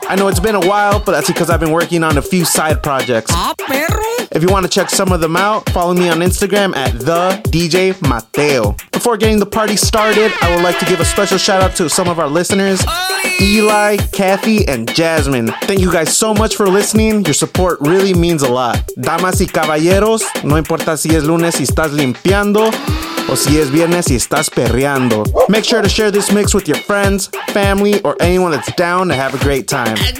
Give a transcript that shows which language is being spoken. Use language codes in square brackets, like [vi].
[en] I know it's been a while, but that's because I've been working on a few side projects. [es] Ah, perro! [en] If you want to check some of them out, follow me on Instagram at the DJ Mateo. Before getting the party started, I would like to give a special shout out to some of our listeners, Eli, Kathy, and Jasmine. Thank you guys so much for listening. Your support really means a lot. [es] Damas y caballeros, no importa si es lunes y estás limpiando, o si es viernes y estás perreando. [en] Make sure to share this mix with your friends, family, or anyone that's down to have a great time.